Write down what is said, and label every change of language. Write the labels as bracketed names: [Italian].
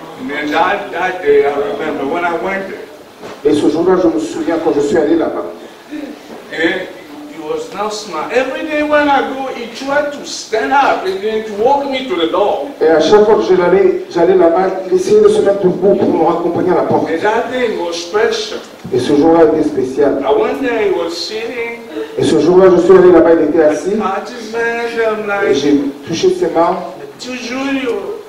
[English] And that day I remember when I went there. [French] Et ce jour-là, je me souviens quand je suis allé là-bas. [English] And he was not smart. Every day when I go, he tried to stand up and then to walk me to the door. [French] Et à chaque fois que j'allais là-bas, il essayait de se mettre debout pour me raccompagner à la porte. [English] And that day was special. [French] Et ce jour-là était spécial. [English] Sitting, [French] et ce jour-là, je suis allé là-bas, il était assis. [English] Like, [French] et j'ai touché ses mains. Julio,